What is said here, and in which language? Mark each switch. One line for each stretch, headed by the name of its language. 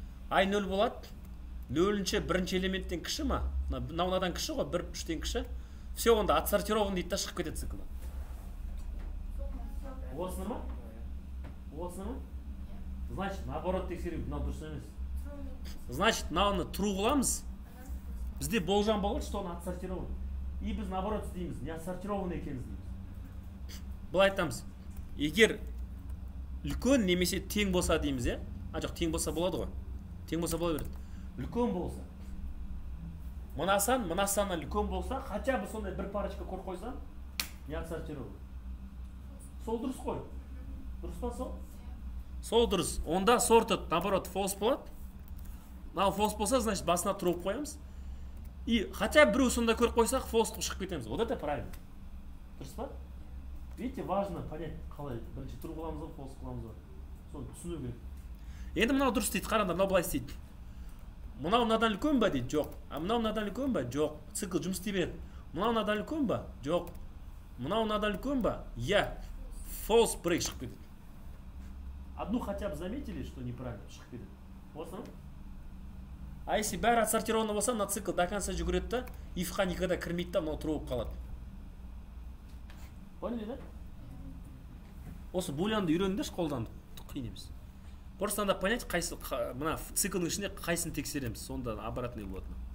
Kazakh: Ай нөл болады, нөлінші бірінші элементтен кіші ма? Мынаудан кіші ғой, бір үштен кіші. Все онда отсортирован дейді да шығып кетеді цикл. Осыны ма? Осыны ма? Значит, наоборот тексеру, мынау дұрыс емес. Значит, мынауны тру қыламыз. Бізде болжам болады,
Russian: что он отсортирован.
Kazakh: И біз наоборот істейміз,
Russian: не отсортирован
Kazakh: екеніміз дейміз. Былай айтамыз. Егер үлкен немесе тең болса дейміз, е? А жоқ, тең болса болады ғой. Тең болса бола береді. Үлкен болса. Мына сан, мына саннан үлкен болса,
Russian: хотя бы
Kazakh: сондай бір парочка көріп қойсаң, не отсортиру. Сол дұрыс қой. Дұрыс па сол? Сол дұрыс. Онда сортед, наоборот, фолс болады. Мынау фолс болса, значит, басына тұрып қоямыз.
Russian: И хотя
Kazakh: біреу сондай көріп қойсақ, фолс қылып шығып кетеміз.
Russian: Вот это правильно.
Kazakh: Дұрыс па?
Russian: Видите, важно понять,
Kazakh: қалай. Бірінші тұрып қыламыз ба, фолс қыламыз ба. Соны түсіну керек. Енді мынау дұрыс дейді, қарандар, мынау былай істейді. Мынау мынадан үлкен ба дейді? Жоқ. А мынау мынадан үлкен ба? Жоқ. Цикл жұмыс істей береді. Мынау мынадан үлкен ба? Жоқ. Мынау мынадан үлкен ба? Иә. False break шығып кетеді.
Russian: Одну хотя бы заметили, что неправильно
Kazakh: шығып кетеді. Осыны?
Russian: А если
Kazakh: бәрі отсортированы болса, мына цикл
Russian: до конца
Kazakh: жүгіреді да, if-қа
Russian: никогда
Kazakh: кірмейді да, мынау тұру болып қалады.
Russian: Поняли, да?
Kazakh: Осы булианды үйреніңдерші қолданды. Қиын емес.
Russian: Просто надо понять,
Kazakh: қайсы, мына циклдың ішінде қайсын тексереміз, сонда обратный болады.